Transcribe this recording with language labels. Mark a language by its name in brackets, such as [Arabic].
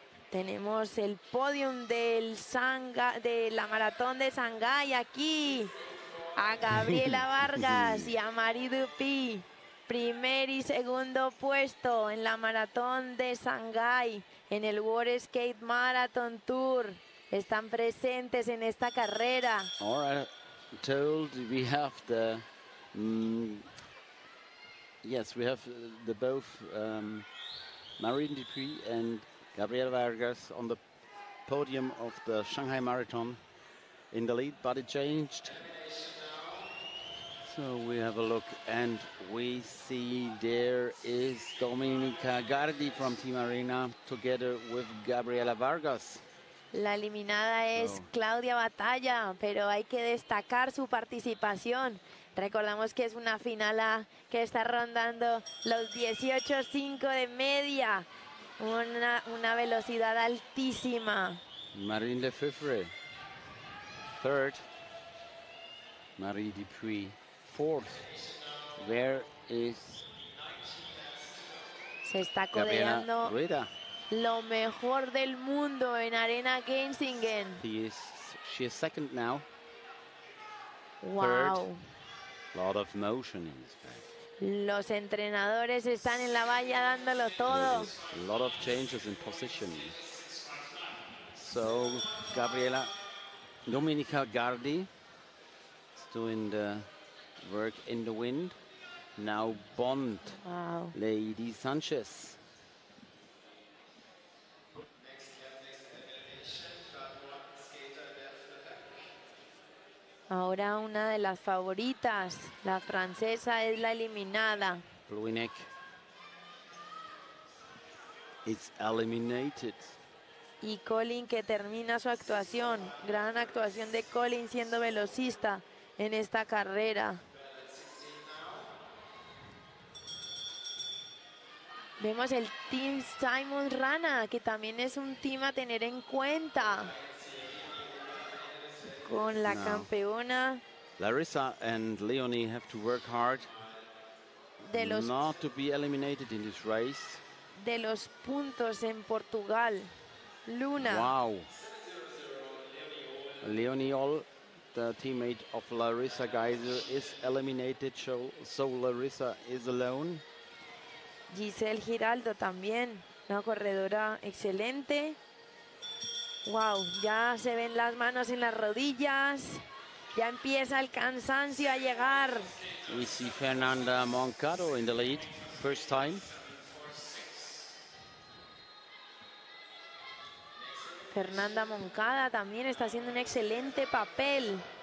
[Spanish] Tenemos el podium del Sanga, de la maratón de Shanghai aquí. A Gabriela Vargas y a Marie Dupuy. Primer y segundo puesto en la maratón de Shanghai en el World Skate Marathon Tour. Están presentes en esta carrera. [English] All right, told we have the we have the both Marie Dupuy and Gabriela Vargas on the podium of the Shanghai Marathon in the lead, but it changed. So we have a look and we see there is Dominika Gardi from Team Arena together with Gabriela Vargas. [Spanish] La eliminada es Claudia Batalla, pero hay que destacar su participación. Recordamos que es una final A que está rondando los 18.5 de media. Una velocidad altísima. [English] Marine Lefebvre, third. Marie Dupuy, fourth. Where is [Spanish] se está codeando Gabriela Rueda. Lo mejor del mundo en Arena Gensingen. [English] She is second now. Wow. Third. Lot of motion in this pack. [Spanish] Los entrenadores están en la valla dándolo todo. [English] A lot of changes in position. So Gabriela, Dominika Gardi is doing the work in the wind. Now Bond. Wow. Lady Sanchez. [Spanish] Ahora una de las favoritas, la francesa, es la eliminada. [English] Bluinek is eliminated. [Spanish] Y Colin, que termina su actuación. Gran actuación de Colin siendo velocista en esta carrera. Vemos el Team Simon Rana, que también es un team a tener en cuenta. Con la campeona. [English] Larissa and Leonie have to work hard not to be eliminated in this race. [Spanish] De los puntos en Portugal. Luna. [English] Wow. Leonie Oll, the teammate of Larissa Geiser, is eliminated, so Larissa is alone. [Spanish] Giselle Giraldo también, una corredora excelente. Wow, ya se ven las manos en las rodillas. Ya empieza el cansancio a llegar. [English] We see Fernanda Moncado in the lead, first time. [Spanish] Fernanda Moncada también está haciendo un excelente papel.